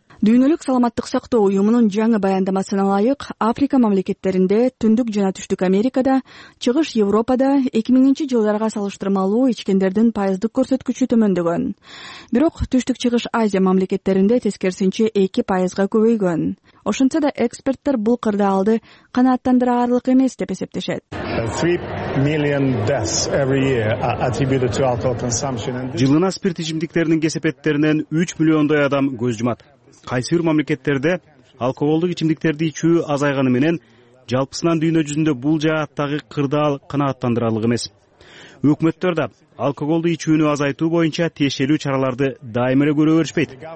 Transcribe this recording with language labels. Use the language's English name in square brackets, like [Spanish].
[Kyrgyz] Дүйнөлүк саламаттык сактоо уюмунун жаңы баяндамасына ылайык, Африка мамлекеттеринде, Түндүк жана Түштүк Америкада, Чыгыш Европада 2000-жылдарга салыштырмалуу ичкендердин пайыздык көрсөткүчү төмөндөгөн. Бирок Түштүк Чыгыш Азия мамлекеттеринде тескерисинче 2% көбөйгөн. Ошентсе да эксперттер бул кырдаалды канааттандыраарлык эмес деп эсептешет. [English] 3 million deaths every year are attributed to alcohol consumption. [Kyrgyz] Жылына спирт ичимдиктеринин кесепеттеринен 3 миллиондой адам көз жумат. Кайсы бир мамлекеттерде алкоголдук ичимдиктерди ичүү азайганы менен жалпысынан дүйнө жүзүндө бул жааттагы кырдаал канааттандыраарлык эмес. Өкмөттөр да алкоголду ичүүнү азайтуу боюнча тиешелүү чараларды дайыма эле көрө беришпейт.